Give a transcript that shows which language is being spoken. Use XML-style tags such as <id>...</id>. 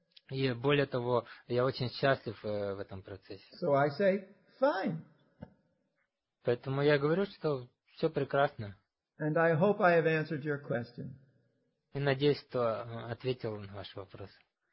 <ru>И более того, я очень счастлив в этом процессе.</ru> <en>So I say, fine.</en> <ru>Поэтому я говорю, что все прекрасно.</ru> <en>And I hope I have answered your question.</en> <ru>И надеюсь, что ответил на ваш вопрос.</ru>